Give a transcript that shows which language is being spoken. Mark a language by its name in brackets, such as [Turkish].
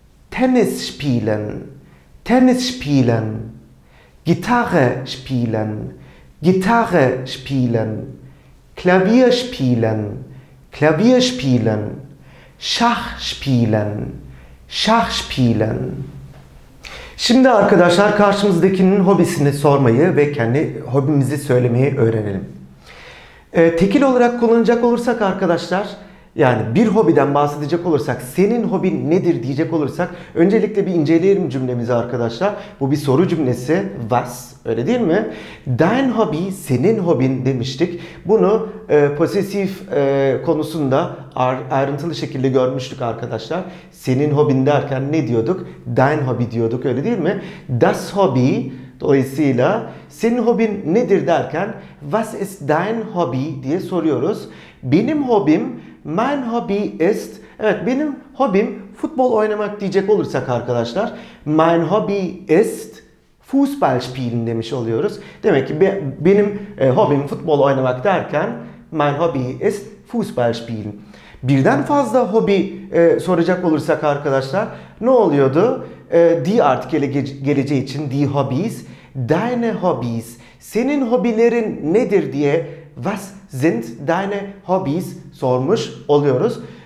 [German] Tennis spielen, Tennis spielen, Gitarre spielen, Gitarre spielen, Klavier spielen, Klavier spielen, Schach spielen, Schach spielen. [Turkish] Şimdi arkadaşlar karşımızdakinin hobisini sormayı ve kendi hobimizi söylemeyi öğrenelim. Tekil olarak kullanacak olursak arkadaşlar, yani bir hobiden bahsedecek olursak, senin hobin nedir diyecek olursak, öncelikle bir inceleyelim cümlemizi arkadaşlar. Bu bir soru cümlesi, was, öyle değil mi? Dein Hobby, senin hobin demiştik. Bunu pozitif konusunda ayrıntılı şekilde görmüştük arkadaşlar. Senin hobin derken ne diyorduk? Dein Hobby diyorduk, öyle değil mi? Das Hobby, dolayısıyla senin hobin nedir derken, was ist dein Hobby diye soruyoruz. Benim hobim, mein Hobby ist, evet benim hobim futbol oynamak diyecek olursak arkadaşlar, mein Hobby ist Fußball spielen demiş oluyoruz. Demek ki benim hobim futbol oynamak derken mein Hobby ist Fußball spielen. Birden fazla hobi soracak olursak arkadaşlar ne oluyordu? Die artikeli geleceği için die Hobbies, deine Hobbies, senin hobilerin nedir diye was sind deine Hobbies sormuş oluyoruz.